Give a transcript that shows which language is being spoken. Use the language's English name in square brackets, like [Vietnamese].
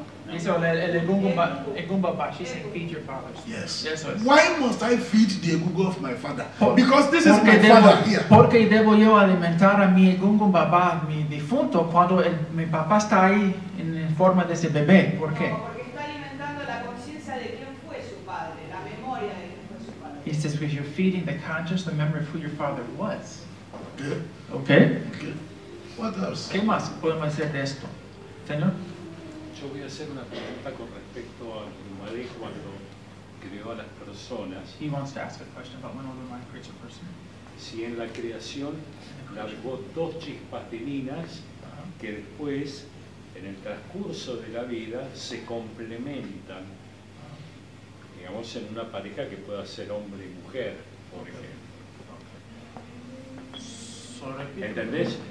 [Spanish] Dice el [English] Egungu Baba, she said, feed your father. Yes. Yes, sir. Why must I feed the Egungu of my father? Because this is my father here. [Spanish] Porque debo yo alimentar a mi Egungu Baba, mi difunto, cuando mi papá está ahí en forma de ese bebé. ¿Por qué? No, porque está alimentando la conciencia de quién fue su padre, la memoria de quién fue su padre. [English] He says, because you're feeding the conscious, the memory of who your father was. Okay. Okay. Okay. What else? [Spanish] ¿Qué más podemos hacer de esto, señor? Yo voy a hacer una pregunta con respecto a Umadi cuando creó a las personas. [English] He wants to ask a question about when Umadi creates a person. [Spanish] Si en la creación largó dos chispas divinas que después, en el transcurso de la vida, se complementan, digamos, en una pareja que pueda ser hombre y mujer, por ejemplo. ¿Entendés?